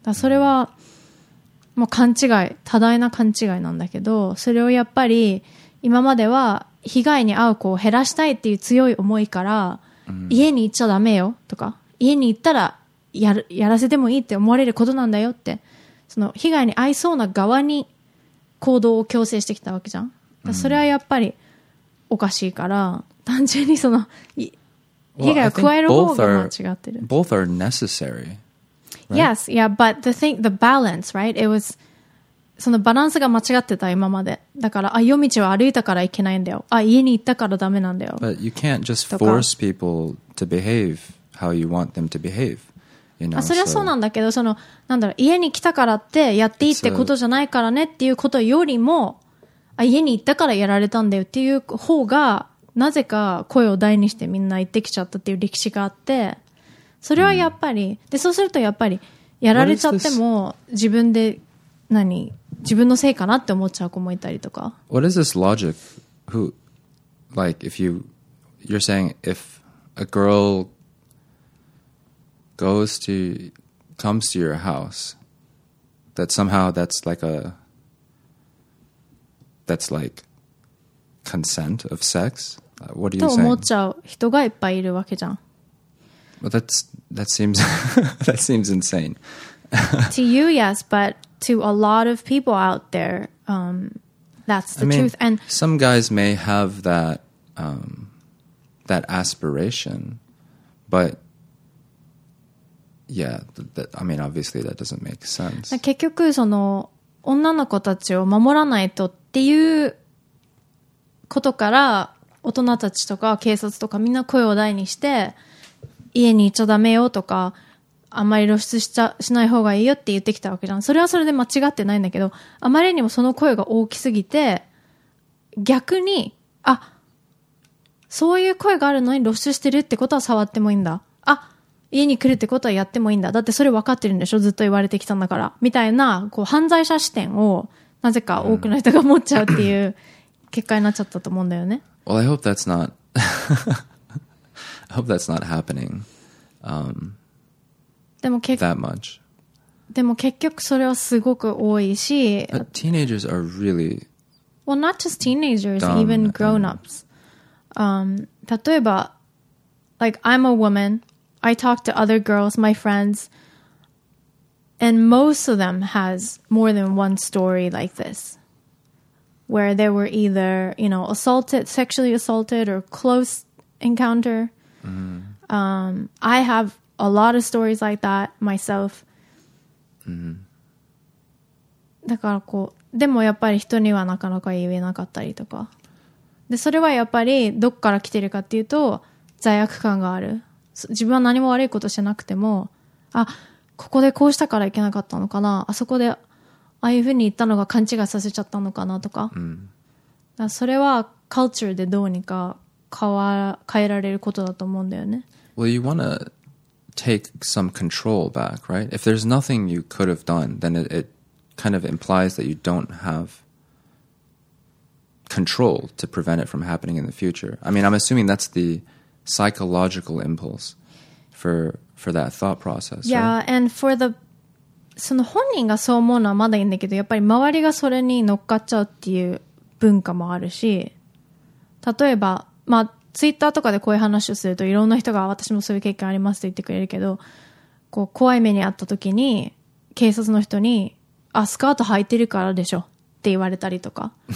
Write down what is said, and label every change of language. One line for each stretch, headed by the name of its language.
Japanese: だからそれはもう勘違い、多大な勘違いなんだけど、それをやっぱり今までは被害に遭う子を減らしたいっていう強い思いから、家に行っちゃダメよとか、家に行ったらやらせてもいいって思われることなんだよって、その被害に遭いそうな側に行動を強制してきたわけじゃん。それはやっぱりおかしいから単純にその被害を加える方が間違ってる。
English: Both are necessary、right? Yes, yeah, but the thing, the balance, right? It was
Japanese: そのバランスが間違ってた今まで。だからあ夜道を歩いたからいけないんだよ、あ家に行ったからダメなんだよ。
English: But you can't just force people to behave how you want them to behaveYou know,
Japanese: あそれはそうなんだけど、その、なんだろう、家に来たからってやっていいってことじゃないからねっていうことよりも、あ、家に行ったからやられたんだよっていう方が、なぜか声を大にしてみんな行ってきちゃったっていう歴史があって、それはやっぱり、うん、で、そうするとやっぱり、やられちゃっても、自分で、何、自分のせいかなって思っちゃう子もいたりとか。
English: What is this logic? Who, like, if you, you're saying if a girlGoes to, comes to your house, that somehow that's like a, that's like consent of sex? What are you saying?
Japanese: と思っちゃう人がいっぱいいるわけじゃん。
English: Well, that seems insane. To you, yes, but to a lot of people out there, that's the truth. And some guys may have that, that aspiration, but... Yeah, that, I mean, obviously that doesn't make sense.
Japanese: 結局その女の子たちを守らないとっていうことから大人たちとか警察とかみんな声を大にして家に行っちゃダメよとかあんまり露出 しない方がいいよって言ってきたわけじゃん。それはそれで間違ってないんだけど、あまりにもその声が大きすぎて逆にあそういう声があるのに露出してるってことは触ってもいいんだ、あ家に来るってことはやってもいいんだ、だってそれ分かってるんでしょ、ずっと言われてきたんだからみたいな、こう犯罪者視点をなぜか多くの人が持っちゃうっていう結果になっちゃったと思うんだよね。
English: Well, I hope that's not I hope that's not happening、
Japanese: でも
English: that much.
Japanese: でも結局それはすごく多いし、
English: But teenagers are really Well, not just teenagers, even grown-ups、
Japanese: 例えば
English: Like, I'm a womanI talk to other girls, my friends, and most of them has more than one story like this, where they were either, you know, assaulted, sexually assaulted, or close encounter. Mm-hmm. I have a lot of stories like that myself. Mm-hmm.
Japanese: だからこう、でもやっぱり人にはなかなか言えなかったりとか。で、それはやっぱりどっから来てるかっていうと、罪悪感がある。自分は何も悪いことしなくても、あここでこうしたからいけなかったのかな、あそこでああいうふうに言ったのが勘違いさせちゃったのかなとか、うん、だからそれはカルチャーでどうにか変えられることだと思うんだよね。
English: Well, you want to take some control back, right? If there's nothing you could have done, then it kind of implies that you don't have control to prevent it from happening in the future. I mean, I'm assuming that's thepsychological impulse for that thought process. Yeah, right? And for the
Japanese: その本人がそう思うのはまだいいんだけど、やっぱり周りがそれに乗っかっちゃうっていう文化もあるし、例えばまあツイッターとかでこういう話をするといろんな人が私もそういう経験ありますと言ってくれるけど、こう怖い目にあった時に警察の人に、あスカート履いてるからでしょって言われたりとか。